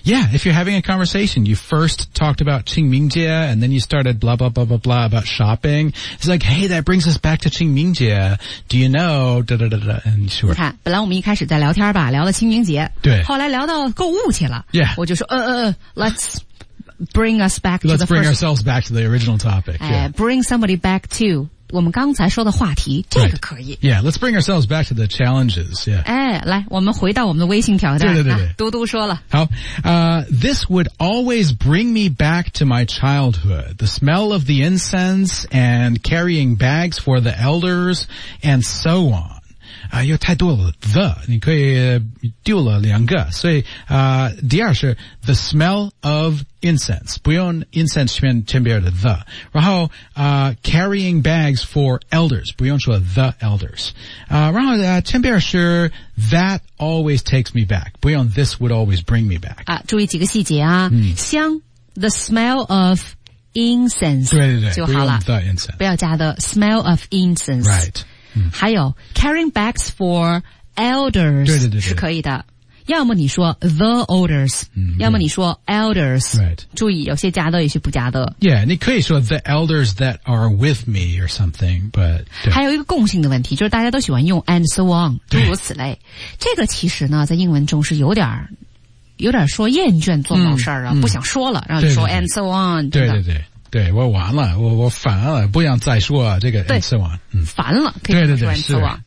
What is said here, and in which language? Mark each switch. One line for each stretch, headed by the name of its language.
English: yeah if you're having a conversation you first talked about 清明节 and then you started blah blah blah blah blah about shopping it's like hey that brings us back to 清明节 do you know da, da, da, da, and sure
Chinese: 你看本来我们一开始在聊天吧聊了清明节对后来聊到购物去了
English: yeah
Chinese: 我就说
English: let's bring us back let's to the let's bring ourselves back to the original topic、yeah. bring somebody back to
Chinese: 我们刚才说的话题这个可以、
English: right. Yeah, let's bring ourselves back to the challenges、yeah.
Chinese: 哎，来我们回到我们的微信挑战对对对嘟嘟说了
English: 好、This would always bring me back to my childhood The smell of the incense And carrying bags for the elders And so on
Chinese: 又太多了
English: The
Chinese: 你可以丢了两个所以、第二是
English: The smell of incense 不用 incense
Chinese: 前边的
English: the 然后、carrying bags for elders 不用说 the elders、
Chinese: 然后、前边是
English: that always takes me back 不用 this would always bring me back、
Chinese: 啊、注意几个细节啊、嗯、香
English: the smell of incense
Chinese: 对对对就好了
English: the incense
Chinese: 不要加的
English: smell of incense right、
Chinese: 嗯、还有
English: carrying bags for elders
Chinese: 对对对对是可以的要么你说
English: the elders、 mm-hmm.
Chinese: 要么你说
English: elders、 right.
Chinese: 注意有些加的有些不加的
English: yeah
Chinese: 你可以说
English: the elders that are with me or something but
Chinese: 还有一个共性的问题就是大家都喜欢用
English: and so on
Chinese: 诸如此类这个其实呢在英文中是有点说厌倦做某事儿啊、嗯、不想说了然后就说
English: and so on
Chinese: 对对对对，我完了，我烦了，不想再说啊，这个
English: and so on，
Chinese: 烦了，可以说
English: and so on。